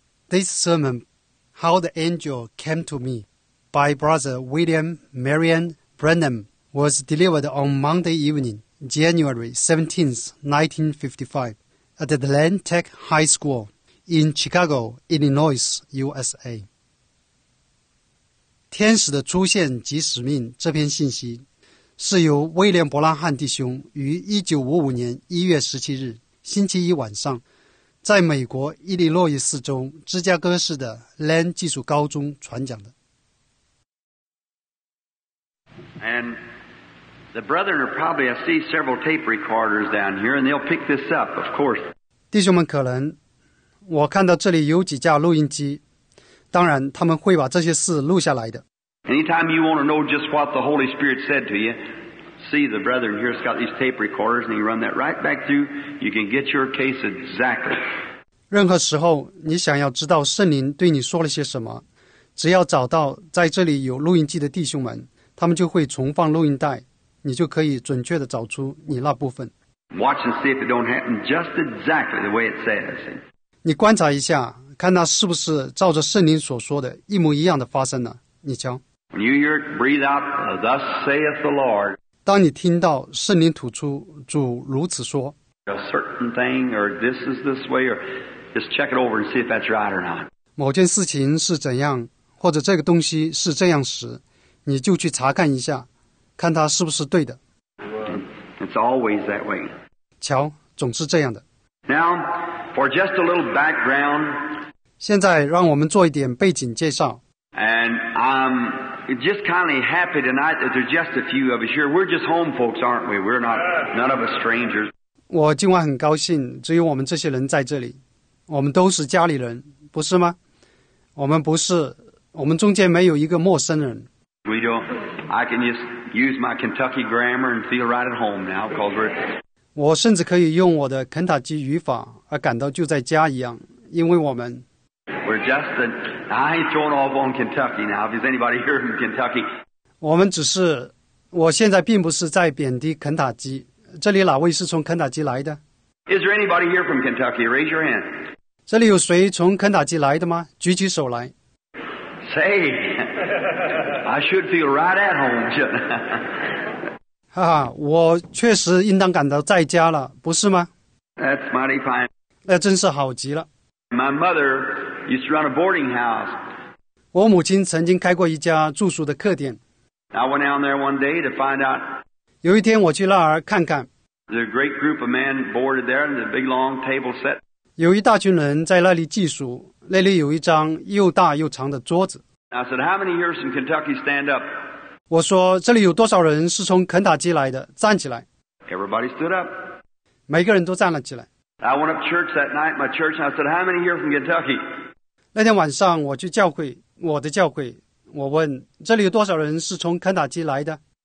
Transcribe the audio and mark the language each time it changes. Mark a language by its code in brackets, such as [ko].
[en] This sermon, How the Angel Came to Me, by Brother William Marion Branham, was delivered on Monday evening, January 17, 1955, at the Land Tech High School in Chicago, Illinois, USA. [zh] 天使的出现及使命这篇信息是由威廉·伯拉汉弟兄于1955年1月17日星期一晚上在美国伊利诺伊斯州芝加哥市的 LAN 技术高中传讲的。 [en] And the brethren are probably, I see several tape recorders down here, and they'll pick this up, of course. [zh] 弟兄们可能，我看到这里有几架录音机，当然他们会把这些事录下来的。 [en] Anytime you want to know just what the Holy Spirit said to you,See the brethren here has got these tape recorders and you run that right back through, you can get your case exactly. [zh] 任何时候你想要知道圣灵对你说了些什么，只要找到在这里有录音机的弟兄们，他们就会重放录音带，你就可以准确地找出你那部分。 [en] Watch and see if it don't happen just exactly the way it says. [zh] 你观察一下，看那是不是照着圣灵所说的一模一样的发生了，你瞧。 [en] When you hear it, breathe out, thus saith the Lord. [zh] 当你听到圣灵吐出主如此说 [en] a certain thing or this is this way or just check it over and see if that's right or not [zh] 某件事情是怎样或者这个东西是这样时你就去查看一下看它是不是对的 [en] It's always that way [zh] 瞧总是这样的 [en] Now for just a little background [zh] 现在让我们做一点背景介绍 [en] And I'mJust kindly happy tonight that there's just a few of us here. We're just home folks, aren't we? We're not, none of us strangers. [zh] 我今晚很高兴，只有我们这些人在这里。我们都是家里人，不是吗？我们不是，我们中间没有一个陌生人。 [en] We don't. I can just use my Kentucky grammar and feel right at home now because we're. [zh] 我甚至可以用我的肯塔基语法而感到就在家一样，因为我们。 [en] We're just a. I ain't throwing off on Kentucky now. If there's anybody here from Kentucky, [zh] 我们只是，我现在并不是在贬低肯塔基。这里哪位是从肯塔基来的 [en] ？Is there anybody here from Kentucky? Raise your hand. [zh] 这里有谁从肯塔基来的吗？举起手来。 [en] Say, I should feel right at home, shouldn't I? [zh] 哈哈，我确实应当感到在家了，不是吗 [en] ？That's mighty fine. [zh] 那真是好极了。 [en] My mother. Used to run a boarding house. [zh] 我母亲曾经开过一家住宿的客店。 [en] I went down there one day to find out. [zh] 有一天我去那儿看看。 [en] There's a great group of men boarded there, and a big long table set. [zh] 有一大群人在那里寄宿，那里有一张又大又长的桌子。 [en] I said, "How many here are from Kentucky? Stand up." [zh] 我说这里有多少人是从肯塔基来的？站起来。 [en] Everybody stood up. [zh] 每个人都站了起来。 [en] I went up to church that night, my church, and I said, "How many here are from Kentucky?" [zh] 那天晚上我去教会，我的教会，我问这里有多少人是从肯塔基来的